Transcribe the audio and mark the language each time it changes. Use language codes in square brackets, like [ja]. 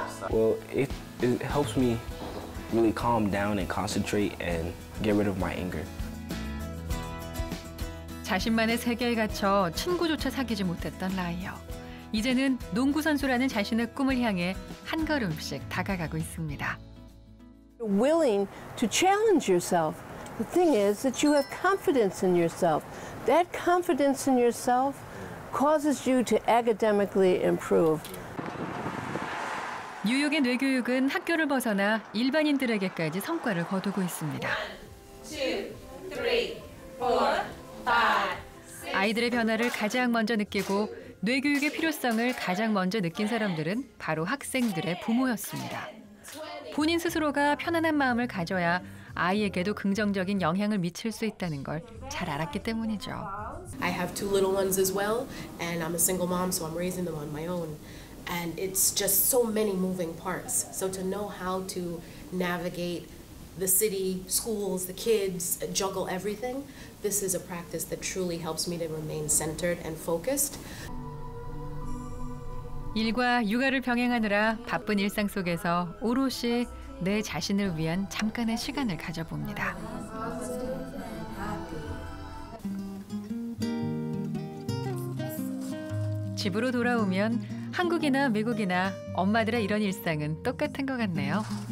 [en] Well, it helps me really calm down and concentrate and get rid of my anger. [ko] 자신만의 세계에 갇혀 친구조차 사귀지 못했던 라이어. 이제는 농구 선수라는 자신의 꿈을 향해 한 걸음씩 다가가고 있습니다. [en] You're willing to challenge yourself. The thing is that you have confidence in yourself. That confidence in yourself causes you to academically improve. [ko] 뉴욕의 뇌교육은 학교를 벗어나 일반인들에게까지 성과를 거두고 있습니다. 아이들의 변화를 가장 먼저 느끼고 뇌교육의 필요성을 가장 먼저 느낀 사람들은 바로 학생들의 부모였습니다. 본인 스스로가 편안한 마음을 가져야 아이에게도 긍정적인 영향을 미칠 수 있다는 걸 잘 알았기 때문이죠. [en] I have two little ones as well, and I'm a single mom, so I'm raising them on my own. And it's just so many moving parts. So to know how to navigate the city, schools, the kids, juggle everything, this is a practice that truly helps me to remain centered and focused. [ko] 일과 육아를 병행하느라 바쁜 일상 속에서 오롯이 내 자신을 위한 잠깐의 시간을 가져봅니다. 집으로 돌아오면 한국이나 미국이나 엄마들의 이런 일상은 똑같은 것 같네요.